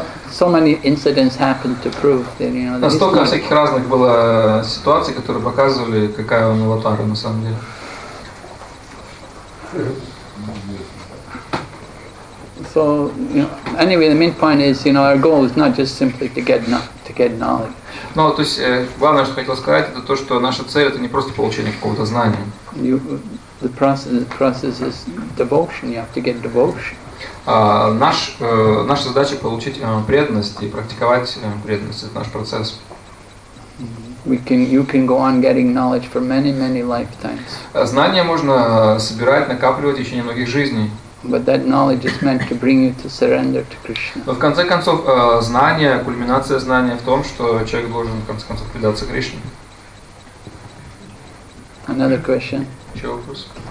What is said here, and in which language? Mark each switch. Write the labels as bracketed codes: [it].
[en] So many incidents happened to prove that, you know. [ru] Настолько всяких разных было ситуаций, которые показывали, какая он аватар на самом деле. [en] So, you know, anyway, the main point is, you know, our goal is not just simply to get knowledge. [ru] Ну, то есть, главное, что хотел сказать, это то, что наша цель – это не просто получение какого-то знания. [en] The process is devotion. You have to get devotion. [ru] наша задача получить преданность и практиковать преданность. Это наш процесс. [en] You can go on getting knowledge for many, many lifetimes. [ru] Знания можно собирать, накапливать еще немногих жизней. [en] But that knowledge is meant to bring you to surrender to Krishna. [ru] Но в конце концов знание, кульминация знания в том, что человек должен в конце концов предаться Кришне. [en] Another question. [ru] Еще вопрос.